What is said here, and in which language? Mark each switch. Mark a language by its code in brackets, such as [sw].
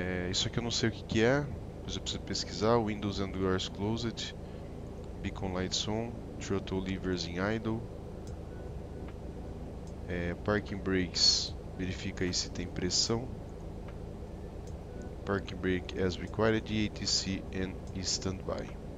[pt] Isso aqui eu não sei o que, que é, mas eu preciso pesquisar. [en] Windows and doors closed, beacon lights on, throttle levers in idle. [pt] Parking brakes, verifica aí se tem pressão. [en] Parking brake as required, ATC and standby.